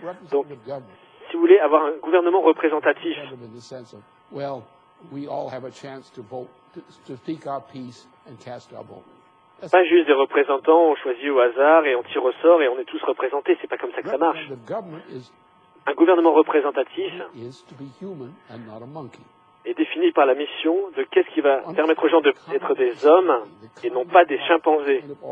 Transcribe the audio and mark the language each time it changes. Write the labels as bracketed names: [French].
[French] Donc, si vous voulez avoir un gouvernement représentatif, [English] well, we all have a chance to vote, to speak our piece and cast our vote. [French] Pas juste des représentants, on choisit au hasard et on tire au sort et on est tous représentés. C'est pas comme ça que ça marche. Un gouvernement représentatif est défini par la mission de qu'est-ce qui va permettre aux gens d'être des hommes et non pas des chimpanzés.